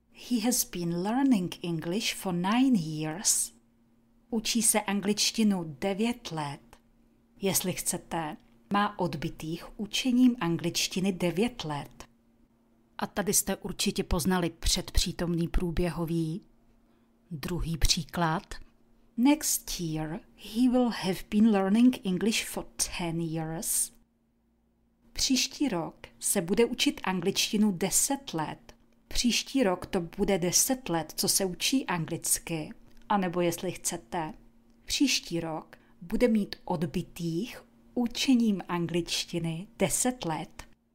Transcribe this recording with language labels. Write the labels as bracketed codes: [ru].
[en] He has been learning English for 9 years. [cs] Učí se angličtinu 9 let. Jestli chcete, má odbytých učením angličtiny 9 let. A tady jste určitě poznali předpřítomný průběhový. Druhý příklad. [en] Next year he will have been learning English for 10 years. [cs] Příští rok se bude učit angličtinu 10 let. Příští rok to bude 10 let, co se učí anglicky. A nebo jestli chcete, příští rok bude mít odbytých učením angličtiny 10 let.